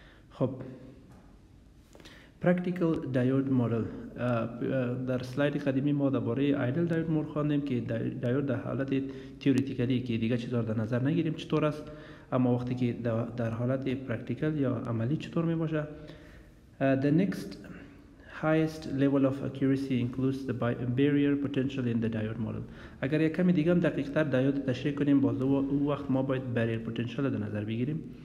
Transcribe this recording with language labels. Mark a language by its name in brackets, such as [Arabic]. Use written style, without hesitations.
[Persian] خب پرکتیکل دیود مدل، در سلاید قدیمی ما درباره ایدل دیود مدل خواندیم که دیود در حالت تیوریتیکالی که دیگه چیزا در نظر نگیریم چطور است، اما وقتی که در حالت پرکتیکل یا عملی چطور می باشه. [English] The next highest level of accuracy includes the barrier potential in the diode model. [Persian] اگر یک کمی دیگه هم دقیق تر دیود تشریح کنیم، باز او وقت ما باید barrier potential در نظر بگیریم.